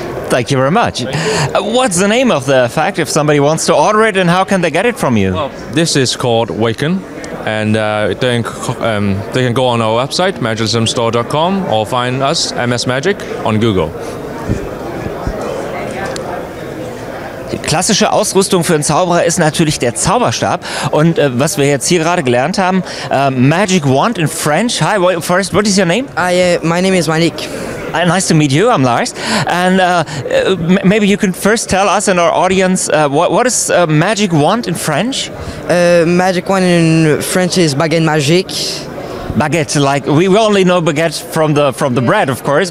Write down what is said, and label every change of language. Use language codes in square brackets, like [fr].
[en] Thank you very much. What's the name of the effect if somebody wants to order it and how can they get it from you? Well, this is called Waken and they can go on our website magicismstore.com or find us MS Magic on Google. [de] Klassische Ausrüstung für einen Zauberer ist natürlich der Zauberstab. Und was wir jetzt hier gerade gelernt haben, [en] Magic Wand in French. Hi, first, what is your name? My name is Malik. Nice to meet you, I'm Lars. And maybe you can first tell us and our audience, what is Magic Wand in French? Magic Wand in French is [fr] Baguette Magique. [en] Baguette, like we only know baguette from the bread, of course.